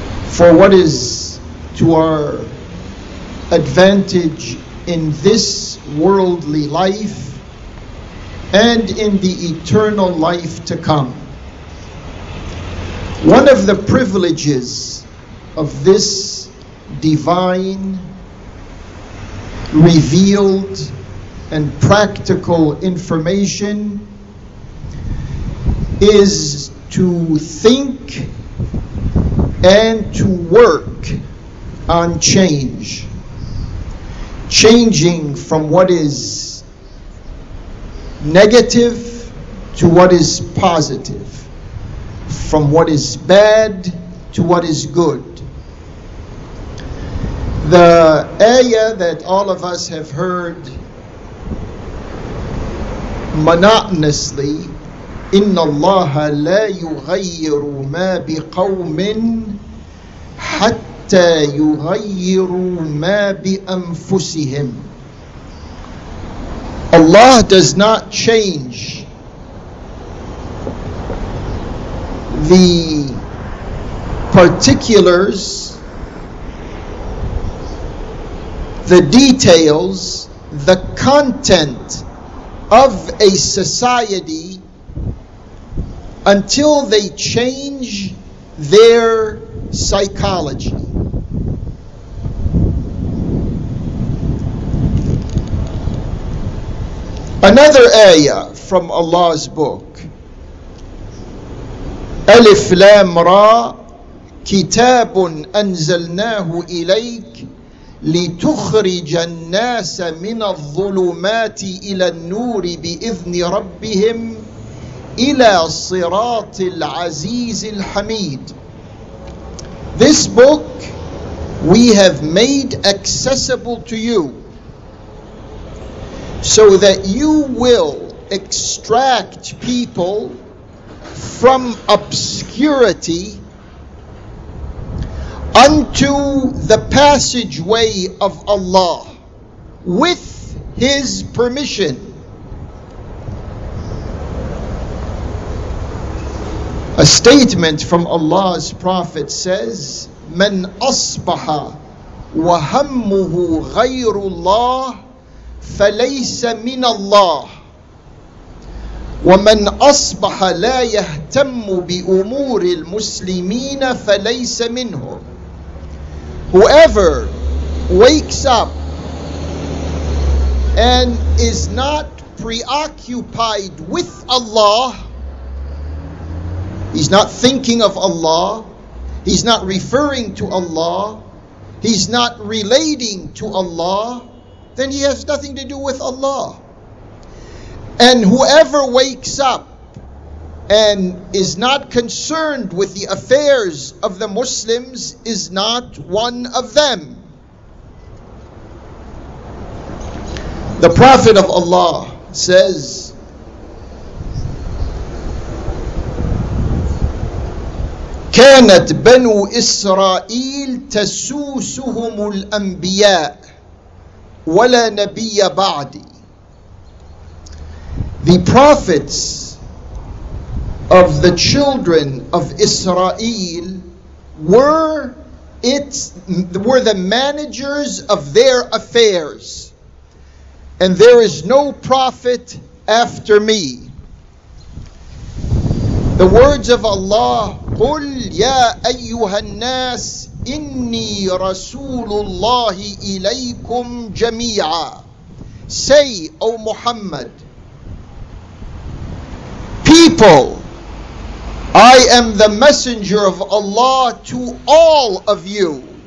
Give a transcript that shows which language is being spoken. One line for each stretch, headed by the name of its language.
English: for what is to our advantage in this worldly life and in the eternal life to come. One of the privileges of this divine, revealed, and practical information is to think and to work on change. Changing from what is negative to what is positive, from what is bad to what is good. The ayah that all of us have heard monotonously,
Arabic: إِنَّ اللَّهَ لَا يُغَيِّرُ مَا بِقَوْمٍ حَتَّى يُغَيِّرُ مَا بِأَنفُسِهِمْ.
English: Allah does not change the particulars, the details, the content of a society until they change their psychology. Another ayah from Allah's book.
Arabic: Alif Lam Ra, Kitabun Anzalnahu Ilayk لِتُخْرِجَ النَّاسَ مِنَ الظُّلُمَاتِ إِلَى النُّورِ بِإِذْنِ رَبِّهِمْ إِلَى صِرَاطِ الْعَزِيزِ الْحَمِيدِ.
English: This book we have made accessible to you so that you will extract people from obscurity unto the passageway of Allah with His permission. A statement from Allah's Prophet says,
Arabic: من أصبح وهمه غير الله فليس من الله وَمَنْ أَصْبَحَ لَا يَهْتَمُّ بِأُمُورِ الْمُسْلِمِينَ فَلَيْسَ مِنْهُمْ.
English: Whoever wakes up and is not preoccupied with Allah, he's not thinking of Allah, he's not referring to Allah, he's not relating to Allah, then he has nothing to do with Allah. And whoever wakes up and is not concerned with the affairs of the Muslims is not one of them. The Prophet of Allah says,
Arabic: كانت بنو إسرائيل تسوسهم الأنبياء ولا نبي بعدي.
English: The prophets of the children of Israel were the managers of their affairs, and there is no prophet after me. The words of Allah,
Arabic: قُلْ يَا أَيُّهَا النَّاسِ إِنِّي رَسُولُ اللَّهِ إِلَيْكُمْ جَمِيعًا.
English: Say, O Muhammad, people, I am the messenger of Allah to all of you.